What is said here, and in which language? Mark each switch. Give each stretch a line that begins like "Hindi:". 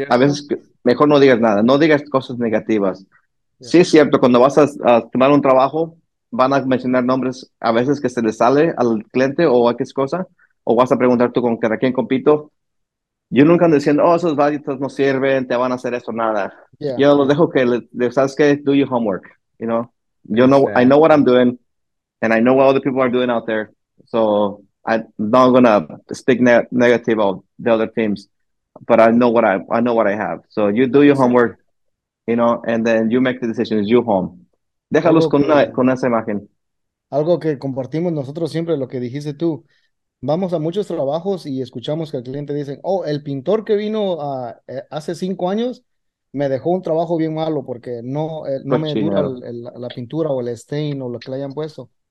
Spanish: A veces mejor no digas nada, no digas cosas negativas. Yeah. Sí es cierto, cuando vas a tomar un trabajo, van a mencionar nombres a veces que se les sale al cliente o a qué cosa, o vas a preguntar tú con quién compito. Yo nunca ando diciendo, oh, esos valletas no sirven, te van a hacer eso, nada.
English: Yeah.
Spanish: Yo los dejo que, ¿sabes qué?
English: Do your homework, you know? You know, I know what I'm doing, and I know what other people are doing out there, so I'm not gonna speak negative of the other teams, but I know what I have. So you do your homework, you know, and then you make the decisions. You home.
Spanish: Déjalos con esa imagen. Algo que compartimos nosotros siempre, lo que dijiste tú. Vamos a muchos trabajos y escuchamos que el cliente dice, oh, el pintor que vino hace 5 años me dejó un trabajo bien malo porque no me dura la pintura o el stain o lo que le hayan puesto.